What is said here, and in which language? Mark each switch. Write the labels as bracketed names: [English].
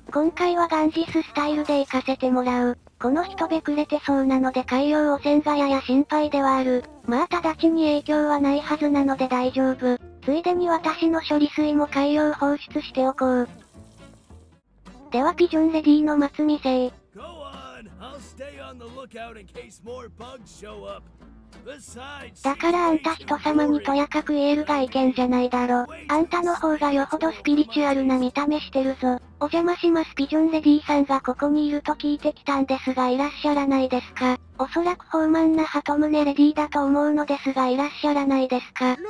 [Japanese] 今回はガンジススタイルで行かせてもらう。この人べくれてそうなので海洋汚染がやや心配ではある。まあ直ちに影響はないはずなので大丈夫。ついでに私の処理水も海洋放出しておこう。ではピジョンレディーの末見せい。 [English] Go on, I'll stay on the lookout in case more bugs show up. [Japanese] だからあんた人様にとやかく言える外見じゃないだろ。あんたの方がよほどスピリチュアルな見た目してるぞ。お邪魔します。ピジョンレディーさんがここにいると聞いてきたんですが、いらっしゃらないですか？おそらく豊満なハトムネレディーだと思うのですが、いらっしゃらないですか？